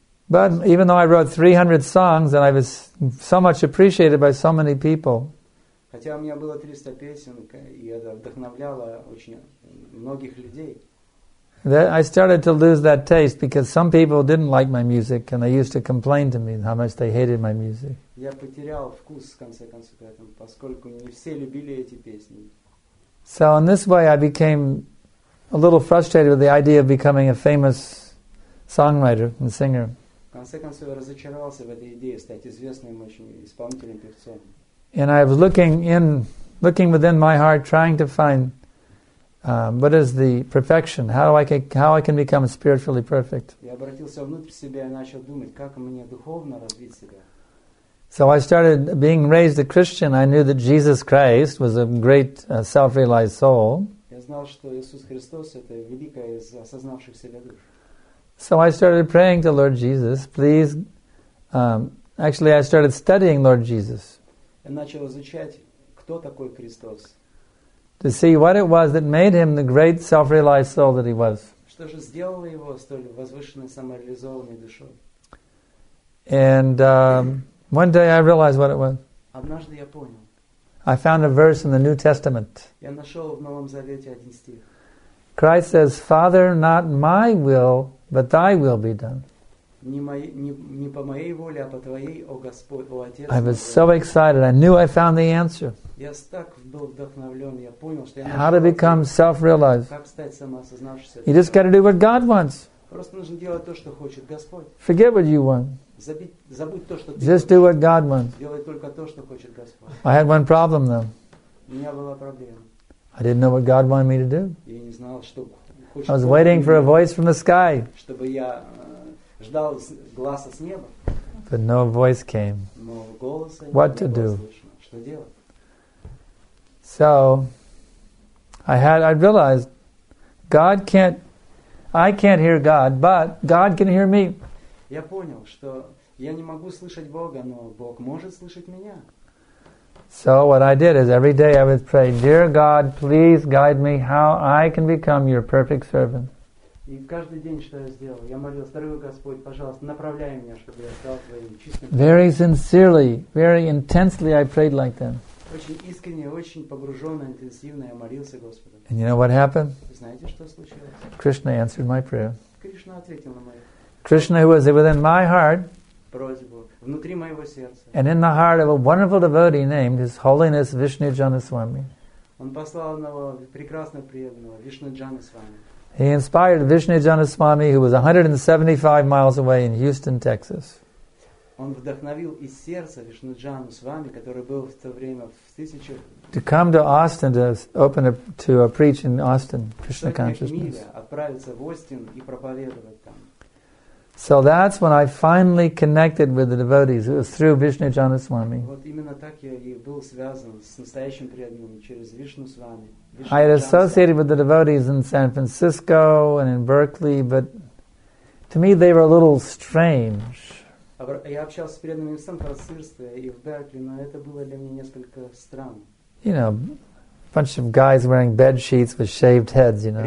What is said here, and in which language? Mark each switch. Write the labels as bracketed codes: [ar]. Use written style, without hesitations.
[en] But even though I wrote 300 songs and I was so much appreciated by so many people, [ru] хотя у меня было 300 песен, и это вдохновляло очень многих людей. [en] That I started to lose that taste because some people didn't like my music and they used to complain to me how much they hated my music. [ru] Я потерял вкус в конце концов, поскольку не все любили эти песни. [en] So in this way, I became a little frustrated with the idea of becoming a famous songwriter and singer. [ru] В конце концов, я разочаровался в этой идее стать известным очень исполнителем, певцом. [en] And I was looking within my heart, trying to find what is the perfection. How I can become spiritually perfect. [ru] Я обратился внутрь себя и начал думать, как мне духовно развить себя. [en] So I started being raised a Christian. I knew that Jesus Christ was a great self-realized soul. [ru] Я знал, что Иисус Христос это великая из осознавших себя душ. [en] So I started praying to Lord Jesus, please Actually, I started studying Lord Jesus. [ru] Я начал изучать, кто такой Христос. [en] To see what it was that made him the great self-realized soul that he was. [ru] Что же сделало его столь возвышенной самореализованной душой? [en] And one day I realized what it was. [ru] Однажды я понял. [en] I found a verse in the New Testament. [ru] Я нашел в Новом Завете один стих. [en] Christ says, "Father, not my will, but Thy will be done." [ru] Не по моей воле, а по твоей, о Господь, о Отец. [en] I was so excited. I knew I found the answer. [ru] Я так был вдохновлен. Я понял, что я. [en] How to become self-realized? [ru] Как стать самоосознавшимся? [en] You just got to do what God wants. [ru] Просто нужно делать то, что хочет Господь. [en] Forget what you want. [ru] Забудь то, что ты. [en] Just do what God wants. [ru] Делай только то, что хочет Господь. [en] I had one problem though. [ru] У меня была проблема. [en] I didn't know what God wanted me to do. I was waiting for a voice from the sky. But no voice came. What to do? So, I realized, I can't hear God, but God can hear me. [ru] Я понял, что я не могу слышать Бога, но Бог может слышать меня. [en] So what I did is every day I would pray, "Dear God, please guide me how I can become Your perfect servant." [ru] И каждый день что я сделал, я молился, дорогой Господь, пожалуйста, направляй меня, чтобы я стал твоим чистым. [en] Very sincerely, very intensely, I prayed like that. [ru] Очень искренне, очень погруженно, интенсивно я молился Господу. [en] And you know what happened? [ru] Знаете, что случилось? [en] Krishna answered my prayer. [ru] Кришна ответил на мою. [en] Krishna, who was within my heart. [ru] Просьбу. Внутри моего сердца. [en] And in the heart of a wonderful devotee named His Holiness Vishnu Janaswami. [ru] Он послал одного прекрасного преданного, Вишну Джанасвами. [en] He inspired Vishnu Janaswami, who was 175 miles away in Houston, Texas. [ru] Он вдохновил из сердца Вишну Джанасвами, который был в то время в тысячу. [en] To come to Austin to open to preach in Austin, Krishna consciousness. [ru] Отправиться в Остин и проповедовать там. [en] So that's when I finally connected with the devotees. It was through Vishnu Janaswami. [ru] Вот именно так я и был связан с настоящим преданным через Вишну с вами. [en] I had associated with the devotees in San Francisco and in Berkeley, but to me they were a little strange. [ru] Я общался с преданными в Сан-Франциско и в Беркли, но это было для меня несколько странно. [en] You know, a bunch of guys wearing bed sheets with shaved heads, you know.